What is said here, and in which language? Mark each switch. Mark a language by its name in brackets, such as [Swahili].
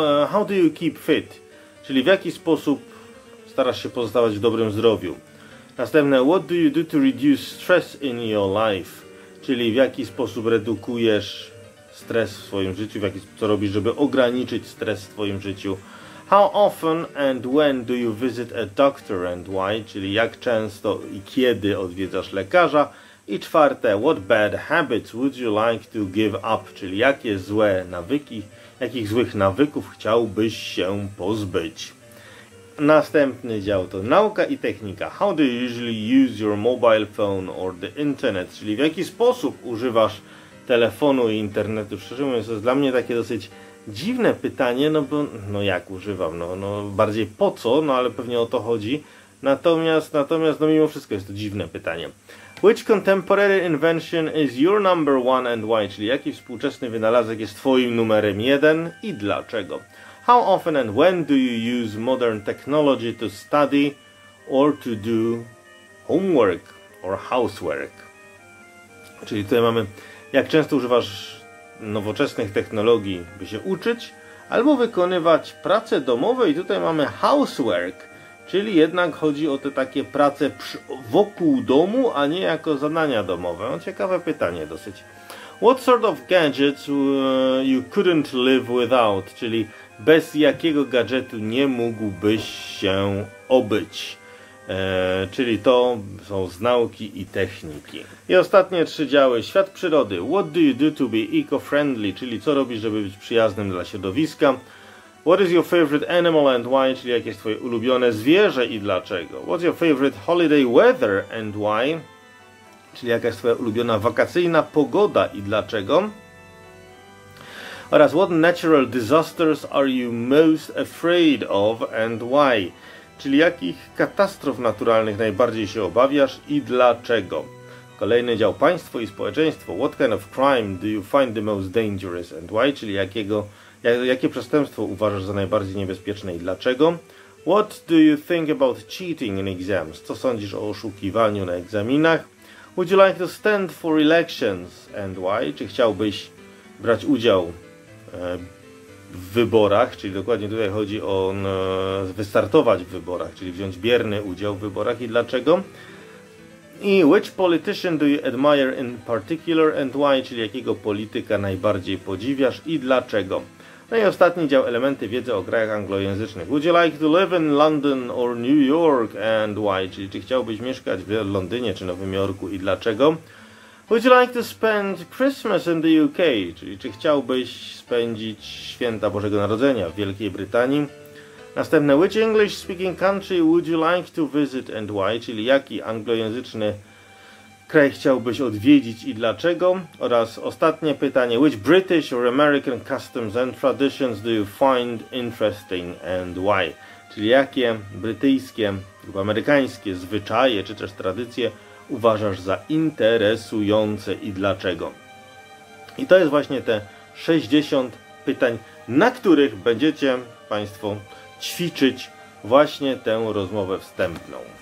[English] How do you keep fit? [Polish] Czyli w jaki sposób starasz się pozostawać w dobrym zdrowiu? Następne, [English] what do you do to reduce stress in your life? [Polish] Czyli w jaki sposób redukujesz stres w swoim życiu, w jaki, co robisz, żeby ograniczyć stres w twoim życiu? [English] How often and when do you visit a doctor and why? [Polish] Czyli jak często i kiedy odwiedzasz lekarza? I czwarte, [English] what bad habits would you like to give up? [Polish] Czyli jakie złe nawyki, jakich złych nawyków chciałbyś się pozbyć? Następny dział to nauka i technika. [English] How do you usually use your mobile phone or the internet? [Polish] Czyli w jaki sposób używasz telefonu i internetu? Szczerze mówiąc, to jest dla mnie takie dosyć dziwne pytanie, no bo no jak używam? No bardziej po co, no ale pewnie o to chodzi. Natomiast no mimo wszystko jest to dziwne pytanie. [English] Which contemporary invention is your number one and why? [Polish] Czyli jaki współczesny wynalazek jest twoim numerem jeden i dlaczego? [English] How often and when do you use modern technology to study or to do homework or housework? [Polish] Czyli tutaj mamy, jak często używasz nowoczesnych technologii, by się uczyć albo wykonywać prace domowe, i tutaj mamy housework. Czyli jednak chodzi o te takie prace wokół domu, a nie jako zadania domowe. No, ciekawe pytanie dosyć. [English] What sort of gadgets you couldn't live without? [Polish] Czyli bez jakiego gadżetu nie mógłbyś się obyć? Czyli to są nauki i techniki. I ostatnie 3 działy. Świat przyrody. [English] What do you do to be eco-friendly? [Polish] Czyli co robisz, żeby być przyjaznym dla środowiska? [English] What is your favorite animal and why? [Polish] Czyli jakie jest twoje ulubione zwierzę i dlaczego? [English] What's your favorite holiday weather and why? [Polish] Czyli jaka jest twoja ulubiona wakacyjna pogoda i dlaczego? [English] Oraz what natural disasters are you most afraid of and why? [Polish] Czyli jakich katastrof naturalnych najbardziej się obawiasz i dlaczego? Kolejny dział, państwo i społeczeństwo. [English] What kind of crime do you find the most dangerous and why? [Polish] Czyli jakie przestępstwo uważasz za najbardziej niebezpieczne i dlaczego? [English] What do you think about cheating in exams? [Polish] Co sądzisz o oszukiwaniu na egzaminach? [English] Would you like to stand for elections and why? [Polish] Czy chciałbyś brać udział w wyborach? Czyli dokładnie tutaj chodzi o wystartować w wyborach, czyli wziąć bierny udział w wyborach i dlaczego? [English] I which politician do you admire in particular and why? [Polish] Czyli jakiego polityka najbardziej podziwiasz i dlaczego? No i ostatni dział, elementy wiedzy o krajach anglojęzycznych. [English] Would you like to live in London or New York and why? [Polish] Czyli czy chciałbyś mieszkać w Londynie czy Nowym Jorku i dlaczego? [English] Would you like to spend Christmas in the UK? [Polish] Czyli czy chciałbyś spędzić święta Bożego Narodzenia w Wielkiej Brytanii? Następne, [English] which English speaking country would you like to visit and why? [Polish] Czyli jaki anglojęzyczny kraj chciałbyś odwiedzić i dlaczego? Oraz ostatnie pytanie, [English] which British or American customs and traditions do you find interesting and why? [Polish] Czyli jakie brytyjskie lub amerykańskie zwyczaje czy też tradycje uważasz za interesujące i dlaczego. I to jest właśnie te 60 pytań, na których będziecie Państwo ćwiczyć właśnie tę rozmowę wstępną.